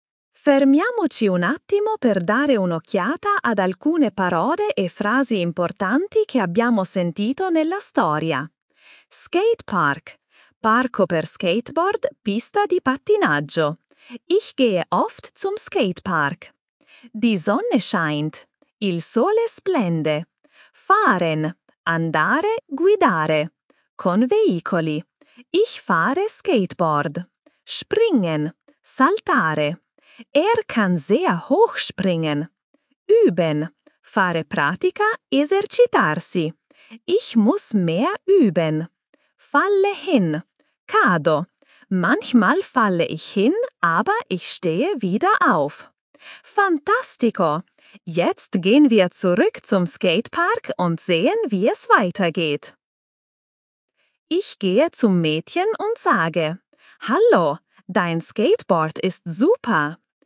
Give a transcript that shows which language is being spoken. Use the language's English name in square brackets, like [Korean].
[Italian] Fermiamoci un attimo per dare un'occhiata ad alcune parole e frasi importanti che abbiamo sentito nella storia. Skatepark. Parco per skateboard, pista di pattinaggio. [German] Ich gehe oft zum Skatepark. Die Sonne scheint. [Italian] Il sole splende. [German] Fahren. [Italian] Andare, guidare. Con veicoli. [German] Ich fahre skateboard. Springen. Saltare. Er kann sehr hoch springen. Üben. [Italian] Fare pratica, esercitarsi. [German] Ich muss mehr üben. Falle hin. Cado. Manchmal falle ich hin, aber ich stehe wieder auf. Fantastico! Jetzt gehen wir zurück zum Skatepark und sehen, wie es weitergeht. Ich gehe zum Mädchen und sage: Hallo, dein Skateboard ist super.